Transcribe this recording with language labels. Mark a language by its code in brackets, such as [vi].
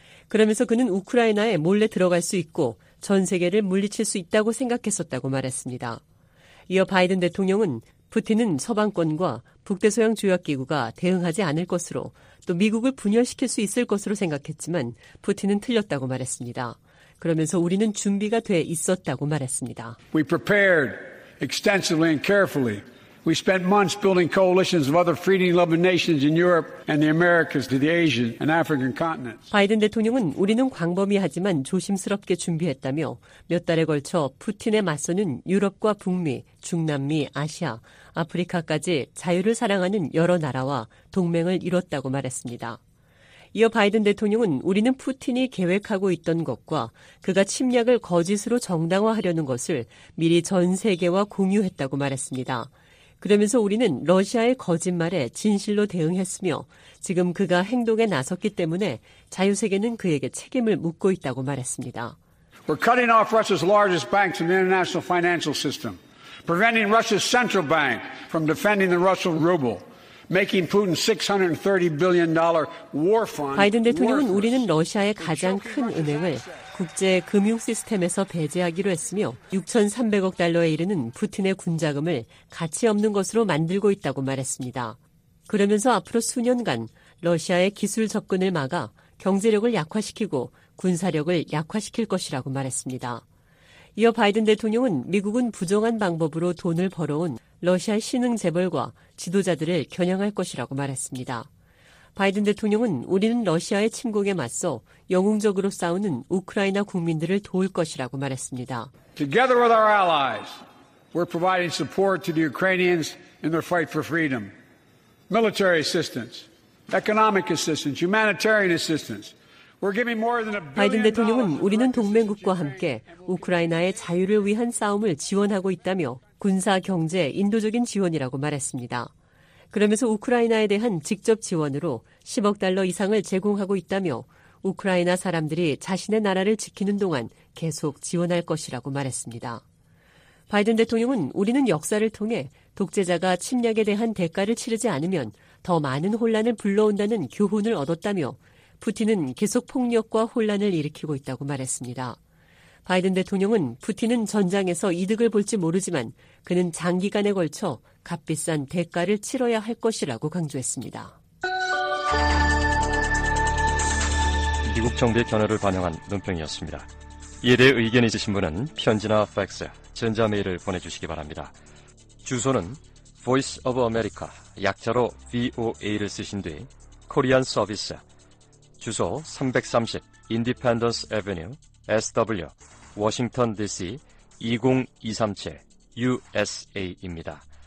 [ko] 그러면서 그는 우크라이나에 몰래 들어갈 수 있고 전 세계를 물리칠 수 있다고 생각했었다고 말했습니다. 이어 바이든 대통령은 푸틴은 서방권과 북대서양 조약기구가 대응하지 않을 것으로 또 미국을 분열시킬 수 있을 것으로 생각했지만 푸틴은 틀렸다고 말했습니다. 그러면서 우리는 준비가 돼 있었다고 말했습니다. [en] We prepared extensively and carefully. We spent months building coalitions of other freedom-loving nations in Europe and the Americas to the Asian and African continents. [ko] 바이든 대통령은 우리는 광범위하지만 조심스럽게 준비했다며 몇 달에 걸쳐 푸틴에 맞서는 유럽과 북미, 중남미, 아시아, 아프리카까지 자유를 사랑하는 여러 나라와 동맹을 이뤘다고 말했습니다. 이어 바이든 대통령은 우리는 푸틴이 계획하고 있던 것과 그가 침략을 거짓으로 정당화하려는 것을 미리 전 세계와 공유했다고 말했습니다. 그러면서 우리는 러시아의 거짓말에 진실로 대응했으며 지금 그가 행동에 나섰기 때문에 자유세계는 그에게 책임을 묻고 있다고 말했습니다. [en] We're cutting off Russia's largest banks in the international financial system, preventing Russia's central bank from defending the Russian ruble, making Putin's $630 billion war fund. [ko] 바이든 대통령은 우리는 러시아의 가장 큰 은행을 국제 금융 시스템에서 배제하기로 했으며 6,300억 달러에 이르는 푸틴의 군자금을 가치 없는 것으로 만들고 있다고 말했습니다. 그러면서 앞으로 수년간 러시아의 기술 접근을 막아 경제력을 약화시키고 군사력을 약화시킬 것이라고 말했습니다. 이어 바이든 대통령은 미국은 부정한 방법으로 돈을 벌어온 러시아 신흥 재벌과 지도자들을 겨냥할 것이라고 말했습니다. 바이든 대통령은 우리는 러시아의 침공에 맞서 영웅적으로 싸우는 우크라이나 국민들을 도울 것이라고 말했습니다. [en] Together with our allies, we're providing support to the Ukrainians in their fight for freedom. Military assistance, economic assistance, humanitarian assistance. We're giving more than a billion dollars. [ko] 바이든 대통령은 우리는 동맹국과 함께 우크라이나의 자유를 위한 싸움을 지원하고 있다며 군사, 경제, 인도적인 지원이라고 말했습니다. 그러면서 우크라이나에 대한 직접 지원으로 10억 달러 이상을 제공하고 있다며 우크라이나 사람들이 자신의 나라를 지키는 동안 계속 지원할 것이라고 말했습니다. 바이든 대통령은 우리는 역사를 통해 독재자가 침략에 대한 대가를 치르지 않으면 더 많은 혼란을 불러온다는 교훈을 얻었다며 푸틴은 계속 폭력과 혼란을 일으키고 있다고 말했습니다. 바이든 대통령은 푸틴은 전장에서 이득을 볼지 모르지만 그는 장기간에 걸쳐 값비싼 대가를 치러야 할 것이라고 강조했습니다. 미국 정부의 견해를 반영한 논평이었습니다. 이에 대해 의견 있으신 분은 편지나 팩스, 전자메일을 보내주시기 바랍니다. 주소는 Voice of America, 약자로 VOA를 쓰신 뒤 Korean Service, 주소 330 Independence Avenue, SW, Washington DC 20237, USA입니다.